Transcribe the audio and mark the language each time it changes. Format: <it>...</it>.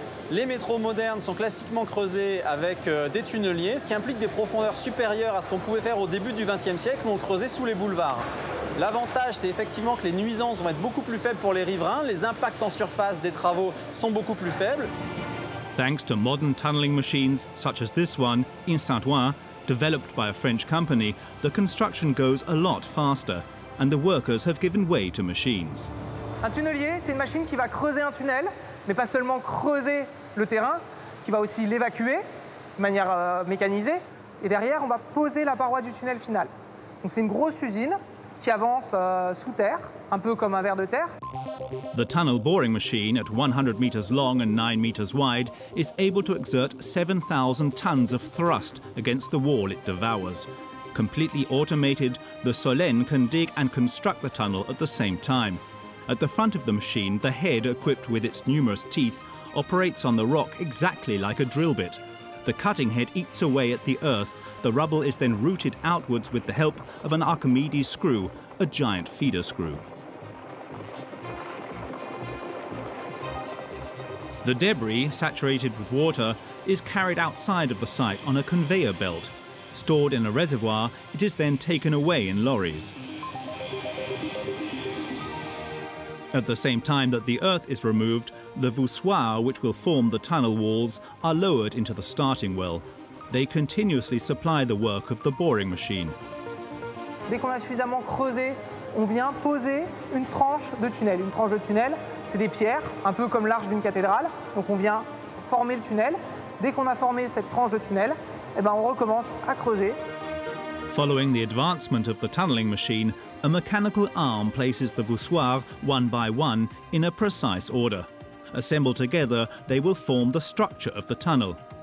<fr>Les métros modernes sont classiquement creusés avec des tunneliers, ce qui implique des profondeurs supérieures à ce qu'on pouvait faire au début du XXe siècle où on creusait sous les boulevards. L'avantage, c'est effectivement que les nuisances vont être beaucoup plus faibles pour les riverains, les impacts en surface des travaux sont beaucoup plus faibles.</fr> <en>Thanks to modern tunneling machines, such as this one in Saint-Ouen, developed by a French company, the construction goes a lot faster, and the workers have given way to machines.</en> <fr>Un tunnelier, c'est une machine qui va creuser un tunnel, mais pas seulement creuser le terrain, qui va aussi l'évacuer de manière mécanisée. Et derrière, on va poser la paroi du tunnel final. Donc c'est une grosse usine qui avance sous terre, un peu comme un ver de terre.</fr> <en>The tunnel boring machine, at 100 meters long and 9 meters wide, is able to exert 7,000 tons of thrust against the wall it devours. Completely automated, the Solène can dig and construct the tunnel at the same time. At the front of the machine, the head, equipped with its numerous teeth, operates on the rock exactly like a drill bit. The cutting head eats away at the earth. The rubble is then rooted outwards with the help of an Archimedes screw, a giant feeder screw. The debris, saturated with water, is carried outside of the site on a conveyor belt. Stored in a reservoir, it is then taken away in lorries. At the same time that the earth is removed, the voussoirs, which will form the tunnel walls, are lowered into the starting well. They continuously supply the work of the boring machine.</en> <fr>Dès qu'on a suffisamment creusé, on vient poser une tranche de tunnel. Une tranche de tunnel, c'est des pierres, un peu comme l'arche d'une cathédrale. Donc on vient former le tunnel. Dès qu'on a formé cette tranche de tunnel, eh ben on recommence à creuser.</fr> <en>Following the advancement of the tunneling machine, a mechanical arm places the voussoirs one by one in a precise order. Assembled together, they will form the structure of the tunnel.</en>